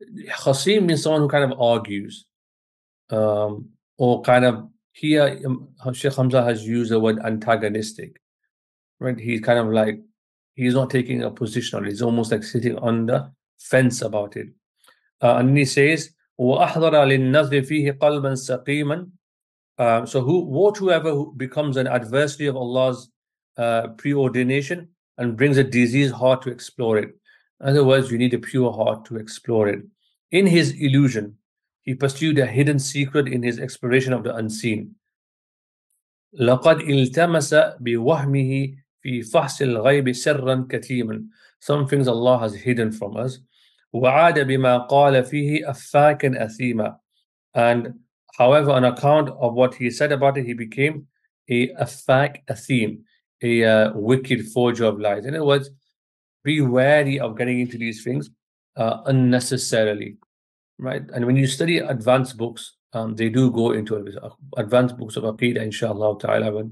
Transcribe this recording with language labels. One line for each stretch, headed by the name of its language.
English: Khasim means someone who kind of argues. Or kind of, here Sheikh Hamza has used the word antagonistic, right? He's kind of like, he's not taking a position on it. He's almost like sitting on the fence about it. And he says,
Arabic: وَأَحْضَرَ لِلنَّظْرِ فِيهِ قَلْبًا سَقِيمًا.
English: So who, what whoever who becomes an adversary of Allah's preordination and brings a diseased heart to explore it. In other words, you need a pure heart to explore it. In his illusion, he pursued a hidden secret in his exploration of the unseen.
Arabic: لَقَدْ إِلْتَمَسَ بِوَهْمِهِ فِي فَحْسِ الْغَيْبِ سِرًّا كَثِيمًا.
English: Some things Allah has hidden from us.
Arabic: وَعَادَ بِمَا قَالَ فِيهِ أَفَّاكًا أَثِيمًا.
English: And however, on account of what he said about it, he became a
Arabic: affak athim,
English: a wicked forger of lies. In other words, be wary of getting into these things unnecessarily. Right, and when you study advanced books, they do go into advanced books of aqidah, inshallah ta'ala.